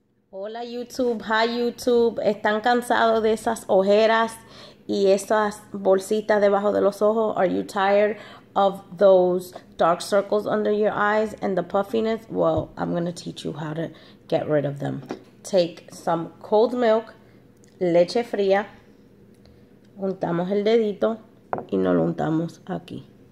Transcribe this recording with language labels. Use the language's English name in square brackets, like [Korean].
[Spanish] Hola YouTube, [English] hi YouTube, [Spanish] ¿están cansados de esas ojeras y esas bolsitas debajo de los ojos? [English] Are you tired of those dark circles under your eyes and the puffiness? Well, I'm going to teach you how to get rid of them. Take some cold milk, [Spanish] leche fría, untamos el dedito y nos lo untamos aquí.